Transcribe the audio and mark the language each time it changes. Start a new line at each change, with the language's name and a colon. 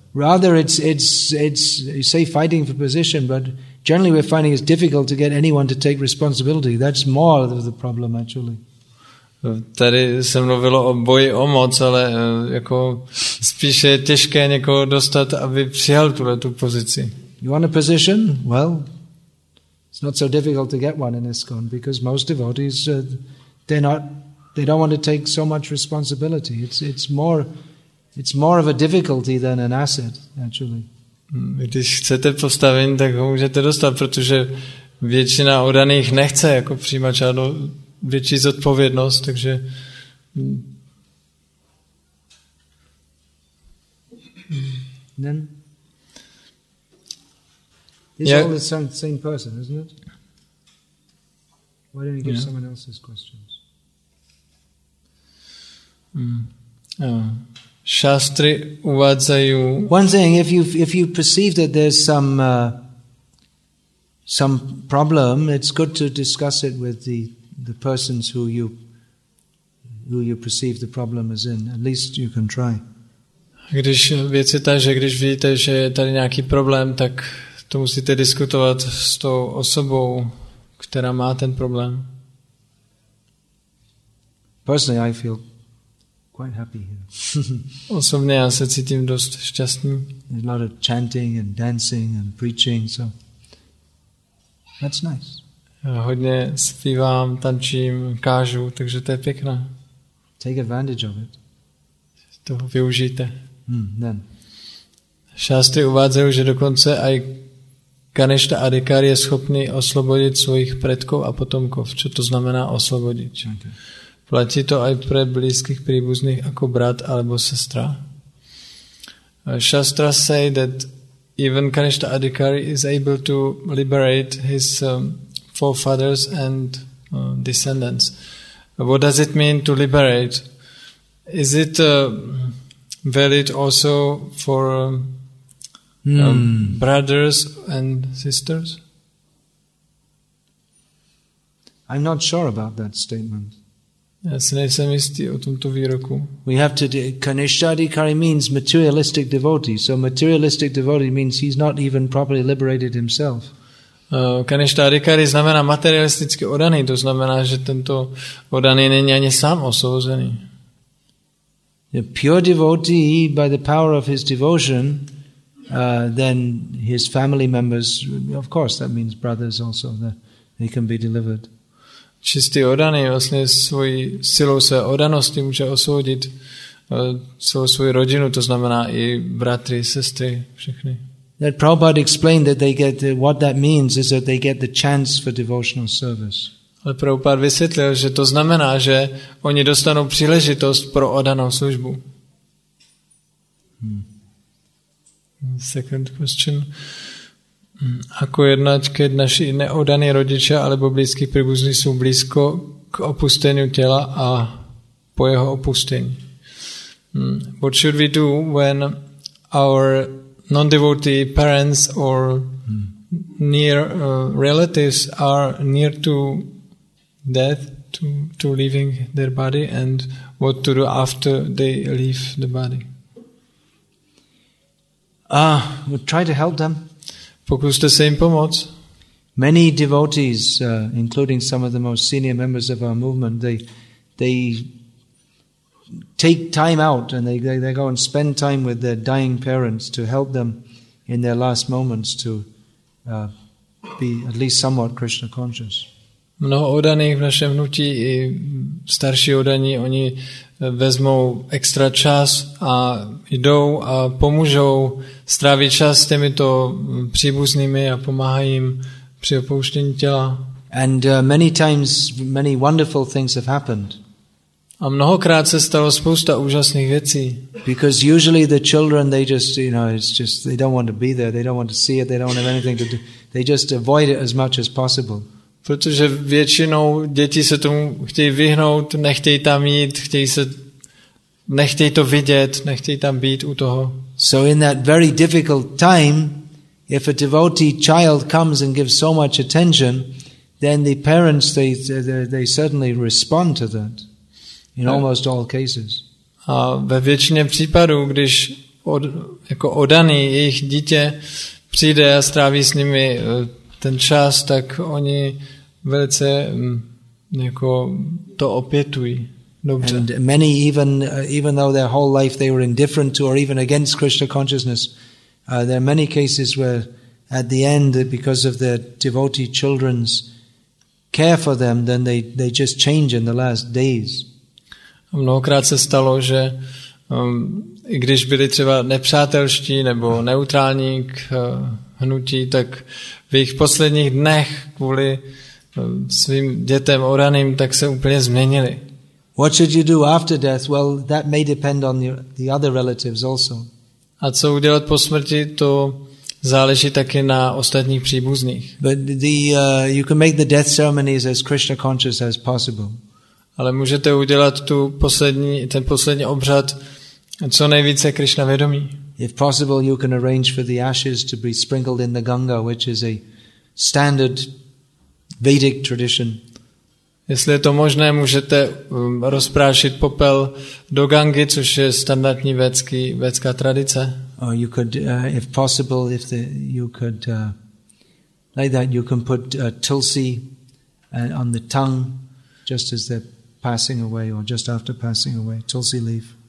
English: Rather, it's you say fighting for position, but generally we're finding it's difficult to get anyone to take responsibility. That's more of the problem, actually.
Czech: Tady se mluvilo o boji o moc, ale jako spíše je těžké někoho dostat, aby přijal tuhle tu pozici.
English: You want a position? Well, it's not so difficult to get one in ISKCON because most devotees they don't want to take so much responsibility. It's more of a difficulty than an asset, actually.
Czech: Když chcete postavení, tak ho můžete dostat, protože většina oddaných nechce jako přijímat žádnou větší zodpovědnost, takže
English: then is yeah. All the same person, isn't it? Why don't you give someone else's questions?
Slovak: Shastri uvádzají.
English: One thing, if you perceive that there's some some problem, it's good to discuss it with the persons who you perceive the problem as in. At least you can try.
Czech: Když věc je ta, že když vidíte, že je tady nějaký problém, tak to musíte diskutovat s tou osobou, která má ten problém.
English: Personally, I feel quite happy here.
Czech: Osobně já se cítím dost šťastný.
English: There's a lot of chanting and dancing and preaching, so that's nice.
Czech: Já hodně zpívám, tančím, kážu, takže to je pěkné.
English: Take advantage of it.
Czech: To využijte.
English: Then.
Slovak: Šástry uvádzají, že dokonce aj Ganešta Adhikar je schopný oslobodit svojich predkov a potomkov. Čo to znamená oslobodit?
English: Okay.
Slovak: Platí to aj pre blízkych príbuzných ako brat alebo sestra?
English: Shastra say that even Ganeshta Adhikari is able to liberate his forefathers and descendants. What does it mean to liberate? Is it valid also for brothers and sisters? I'm not sure about that statement.
Czech: Já si nejsem jistý o tomto výroku.
English: We have to Kanishtha Adhikari means materialistic devotee. So materialistic devotee means he's not even properly liberated himself.
Czech: Kanishtha Adhikari znamená materialisticky oddaný, to znamená, že tento oddaný není ani sám osvobozený.
English: A pure devotee by the power of his devotion then his family members, of course that means brothers also, that they can be delivered.
Czech: Čistý oddaný vlastně svojí silou své oddanosti může osvobodit celou svou rodinu, to znamená i bratry, sestry, všechny.
English: That Prabhupada explained that they get what that means is that they get the chance for devotional service.
Czech: Ale Prabhupada vysvětlil, že to znamená, že oni dostanou příležitost pro oddanou službu.
English: Second question.
Slovak: Ako jednať, keď naši neodaní rodiče alebo blízky príbuzní sú blízko k opusteniu tela a po jeho opustení?
English: What should we do when our non-devotee parents or near relatives are near to death, to leaving their body, and what to do after they leave the body? We'll try to help them.
Czech: Pokuste se jim pomoct.
English: Many devotees, including some of the most senior members of our movement, they take time out and they go and spend time with their dying parents to help them in their last moments to be at least somewhat Krishna conscious.
Czech: Mnoho oddaných v našem hnutí i starší oddaní, oni vezmou extra čas a jdou a pomůžou strávit čas s těmito příbuznými a pomáhají jim při opouštění těla.
English: And many times many wonderful things have happened.
Czech: A mnohokrát se stalo spousta úžasných věcí.
English: Because usually the children, they just, you know, it's just, they don't want to be there, they don't want to see it, they don't have anything to do. They just avoid it as much as possible.
Czech: Protože většinou děti se tomu chtějí vyhnout, nechtějí tam jít, nechtějí to vidět, nechtějí tam být u toho.
English: So in that very difficult time, if a devotee child comes and gives so much attention, then the parents, they certainly respond to that in almost all cases.
Czech: A ve většině případů, když jako oddaný jejich dítě přijde a stráví s nimi ten čas, tak oni velice jako to opětují. Dobře.
English: And many even though their whole life they were indifferent to or even against Krishna consciousness, there are many cases where at the end, because of their devotee children's care for them, then they just change in the last days.
Czech: Mnohokrát se stalo, že i když byli třeba nepřátelští nebo neutrální k hnutí, tak v jejich posledních dnech kvůli svým dětem oraným, tak se úplně změnili.
English: What should you do after death? Well, that may depend on the other relatives also.
Czech: A co udělat po smrti, to záleží taky na ostatních příbuzných.
English: But you can make the death ceremonies as Krishna conscious as possible.
Czech: Ale můžete udělat ten poslední obřad co nejvíce Krishna vědomí.
English: If possible, you can arrange for the ashes to be sprinkled in the Ganga, which is a standard Vedic tradition.
Czech: Jestli je to možné, můžete rozprášit popel do Gangy, což je standardní védská tradice.
English: Or you could, if possible, if the, you could, like that, you can put tulsi on the tongue, just as they're passing away, or just after passing away, tulsi leaf.